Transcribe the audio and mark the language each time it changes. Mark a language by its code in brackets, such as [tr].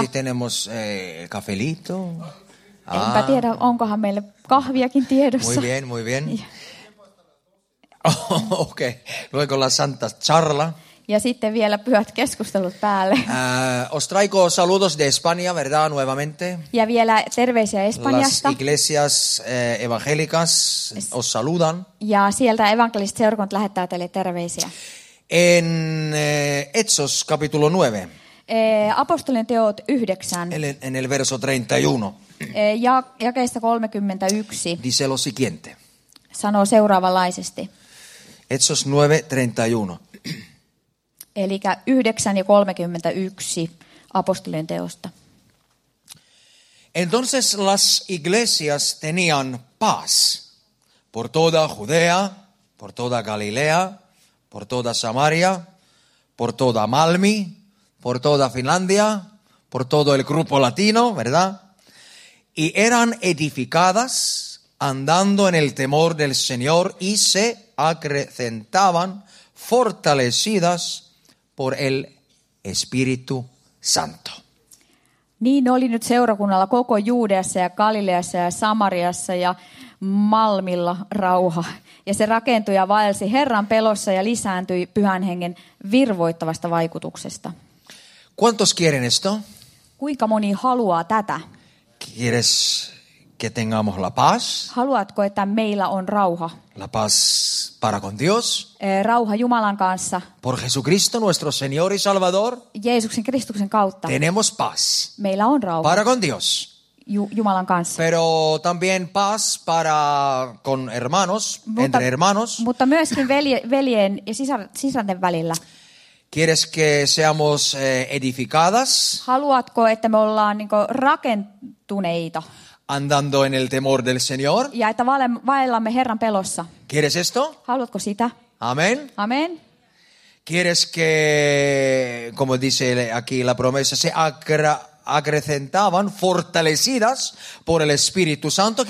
[es] No sé si tenemos cafelito. [fi] Enpä tiedä, onkohan meille kahviakin tiedossa. [es] Muy bien, muy bien. Okei, okay. Luego la Santa Charla. [fi] Ja sitten vielä pyhät keskustelut päälle. [es] Os traigo saludos de España, ¿verdad? Nuevamente. [fi] Ja vielä terveisiä Espanjasta. [es] Las iglesias evangélicas os saludan. [fi] Ja sieltä evankeliset seurakunnat lähettää teille terveisiä. [es] En Hechos capítulo 9. [fi] Apostolien teot 9. [es] En el verso 31. [fi] Jakeista 31. [es] Dice lo siguiente. [fi] Sanoo seuraavanlaisesti. [es] Hechos 9:31. [fi] Eli 9:31 apostolien teosta. [es] Entonces las iglesias tenían paz por toda Judea, por toda Galilea, por toda Samaria, por toda Malmi, por toda Finlandia, por todo el grupo latino, ¿verdad? Y eran edificadas andando en el temor del Señor y se acrecentaban fortalecidas por el Espíritu Santo. [fi] Niin oli nyt seurakunnalla koko Juudeassa ja Galileassa ja Samariassa ja Malmilla rauha. Ja se rakentui ja vaelsi Herran pelossa ja lisääntyi Pyhän Hengen virvoittavasta vaikutuksesta. [es] ¿Cuántos quieren esto? [fi] Kuinka moni haluaa tätä? [es] ¿Quieres que tengamos la paz? [fi] Haluatko, että meillä on rauha? [es] La paz para con Dios. [fi] Rauha Jumalan kanssa. [es] Por Jesucristo nuestro Señor y Salvador. [fi] Jeesuksen Kristuksen kautta. [es] Tenemos paz. [fi] Meillä on rauha. [es] Para con Dios. [fi] Jumalan kanssa. [es] Pero también paz para con hermanos, entre hermanos. [fi] Mutta myöskin veljen ja sisarten välillä. [es] ¿Quieres que seamos edificadas? [fi] Haluatko, että me ollaan niinku rakentuneita? [es] Andando en el temor del Señor. [fi] Ja että vaellamme Herran pelossa. [es] ¿Quieres esto? [fi] Haluatko sitä? [es] Amén. Amén. ¿Quieres que, como dice aquí la promesa, se acrecentaban fortalecidas por el Espíritu Santo?